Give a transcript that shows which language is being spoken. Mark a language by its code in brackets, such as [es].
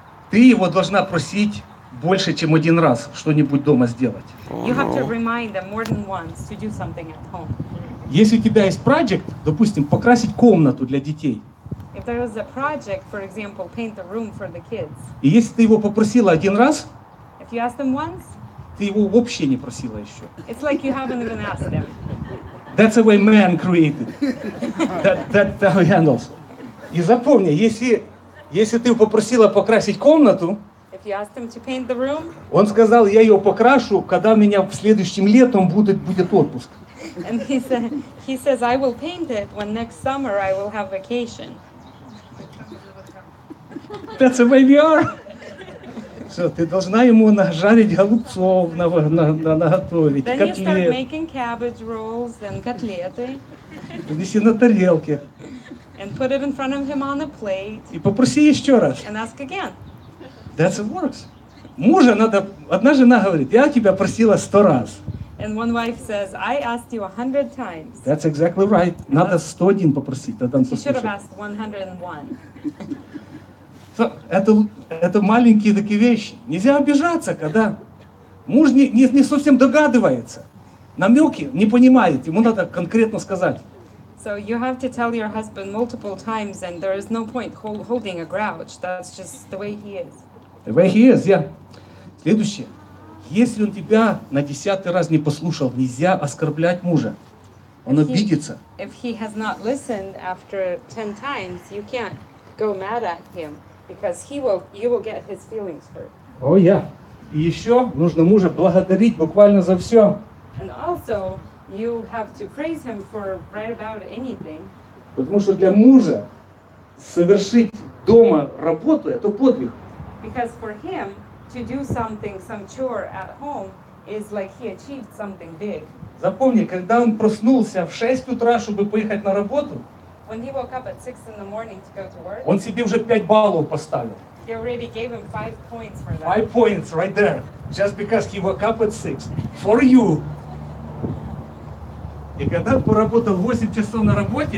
[ru] Ты его должна просить больше, чем один раз что-нибудь дома сделать. [en] You have to remind them more than once to do something at home. [ru] Если у тебя есть project, допустим, покрасить комнату для детей. [en] If there was a project, for example, paint the room for the kids. [ru] И если ты его попросила один раз, [en] if you asked them once, [ru] ты его вообще не просила еще. [en] It's like you haven't even asked them. That's the way man created. That's how he handles. [ru] И запомни, если ты попросила покрасить комнату, [en] if you asked him to paint the room, [ru] он сказал, я ее покрашу, когда у меня в следующем летом будет отпуск. [en] And he says, I will paint it when next summer I will have vacation. That's the way we are. [ru] Все, ты должна ему нажарить голубцов, наготовить, [en] then Then you start making cabbage rolls and котлеты. [ru] Принеси на тарелке. [en] And put it in front of him on a plate. [ru] И попроси еще раз. [en] And ask again. That's what works. [ru] Мужа надо... Одна жена говорит, я тебя просила 100 раз. [en] And one wife says, I asked you 100 times. That's exactly right. [ru] Надо 101 попросить, тогда он послушает. [en] You should have asked 101. [ru] So, это маленькие такие вещи. Нельзя обижаться, когда муж не совсем догадывается. Намеки не понимает. Ему надо конкретно сказать. [en] So you have to tell your husband multiple times and there is no point holding a grouch. That's just the way he is. The way he is, yeah. [ru] Следующее. Если он тебя на 10-й раз не послушал, нельзя оскорблять мужа. Он обидится. [en] If he has not listened after 10 times, you can't go mad at him. Because you will get his feelings hurt. Oh yeah. [ru] И еще нужно мужа благодарить буквально за все. [en] And also you have to praise him for right about anything. [ru] Потому что для мужа совершить дома работу это подвиг. [en] Because for him to do something, some chore at home is like he achieved something big. [ru] Запомни, когда он проснулся в 6 утра, чтобы поехать на работу. [en] When he woke up at 6 in the morning to go to work, [ru] он себе уже 5 баллов поставил. [en] He already gave him 5 points for that. 5 points right there. Just because he woke up at 6. For you. [ru] И когда поработал 8 часов на работе,